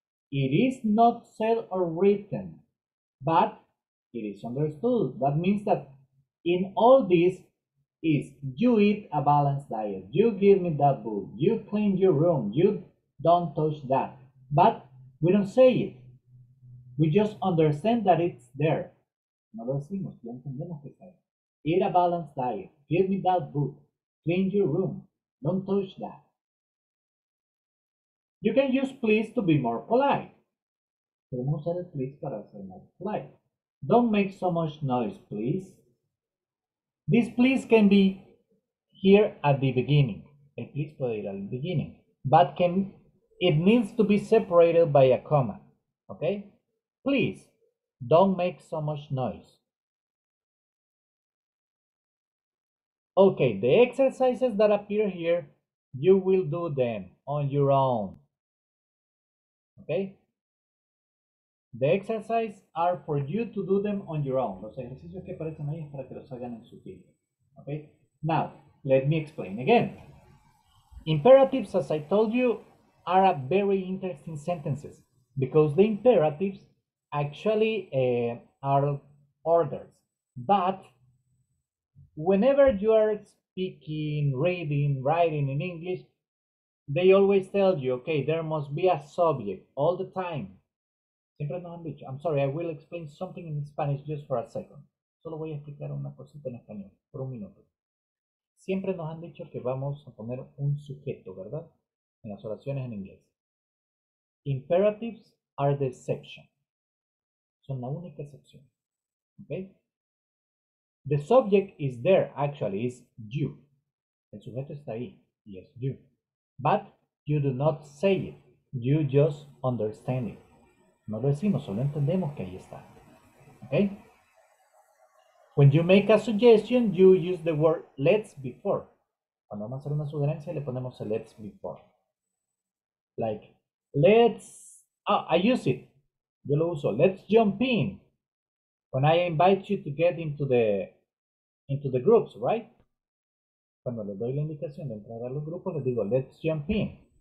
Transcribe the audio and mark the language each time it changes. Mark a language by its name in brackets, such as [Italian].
[English] It is not said or written, but it is understood. That means that in all this is you eat a balanced diet, you give me that book, you clean your room, you don't touch that, but we don't say it. We just understand that it's there. [Spanish] No lo decimos, ya entendemos que está ahí. [English] Eat a balanced diet. Give me that book. Clean your room. Don't touch that. You can use please to be more polite. [Spanish] Podemos usar el please para ser más polite. [English] Don't make so much noise, please. This please can be here at the beginning. [Spanish] El please puede ir al beginning. [English] But can it needs to be separated by a comma. Okay? Please, don't make so much noise. Okay, the exercises that appear here, you will do them on your own. Okay? The exercises are for you to do them on your own. [Spanish] Los ejercicios que aparecen ahí es para que los hagan en su tiempo. [English] Okay? Now, Let me explain again. Imperatives, as I told you, are a very interesting sentences because the imperatives actually are orders. But whenever you are speaking, reading, writing in English, they always tell you, okay, there must be a subject all the time. [Spanish] Siempre no han dicho. [English] I'm sorry, I will explain something in Spanish just for a second. [Spanish] Solo voy a explicar una cosita en español, por un minuto. Siempre nos han dicho que vamos a poner un sujeto, ¿verdad? En las oraciones en inglés. [English] Imperatives are the exception. [Spanish] Son la única excepción. [English] ¿Okay? The subject is there, actually, is you. [Spanish] El sujeto está ahí, y es you. [English] But you do not say it. You just understand it. [Spanish] No lo decimos, solo entendemos que ahí está. ¿Okay? [English] When you make a suggestion, you use the word let's before. [Spanish] Cuando vamos a hacer una sugerencia, le ponemos el let's before. [English] Like, let's, oh, I use it. [Spanish] Yo lo uso. [English] Let's jump in. When I invite you to get into the groups, right? [Spanish] Cuando le doy la indicación de entrar a los grupos, le digo, [English] let's jump in.